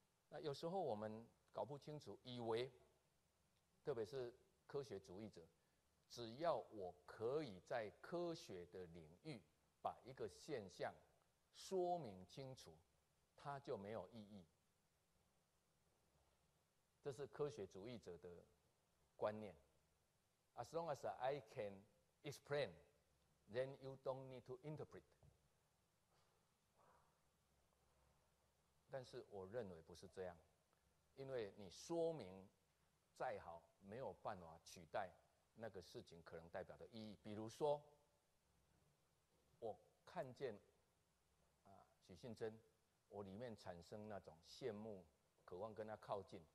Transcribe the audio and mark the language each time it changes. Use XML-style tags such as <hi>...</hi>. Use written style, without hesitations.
<zh>那有时候我们搞不清楚，以为特别是科学主义者，只要我可以在科学的领域把一个现象说明清楚，它就没有意义。这是科学主义者的观念。</zh> <en>As long as I can explain, then you don't need to interpret.</en> <zh>但是我认为不是这样，因为你说明再好，没有办法取代那个事情可能代表的意义。比如说，我看见许信真，我里面产生那种羡慕，渴望跟他靠近。</zh>